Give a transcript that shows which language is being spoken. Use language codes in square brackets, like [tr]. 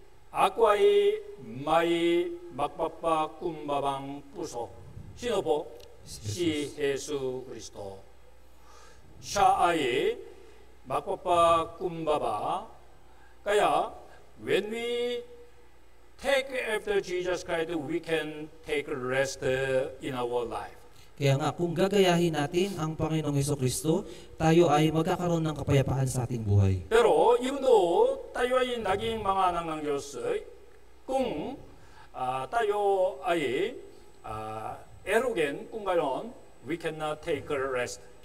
[tl] Ako ay may mapagpakumbabang puso. Sino po? Si Jesus Kristo. Siya ay mapagpakumbaba. [en] Kaya, when we take after Jesus Christ, we can take rest in our life. [tl] Kaya nga, kung gagayahin natin ang Panginoong Jesus Kristo, tayo ay magkakaroon ng kapayapaan sa ating buhay. Pero, [en] even though [tl] tayo ay naging mga anak ng Diyos, kung tayo ay arrogant, kung gano'n, [en] we cannot take a rest.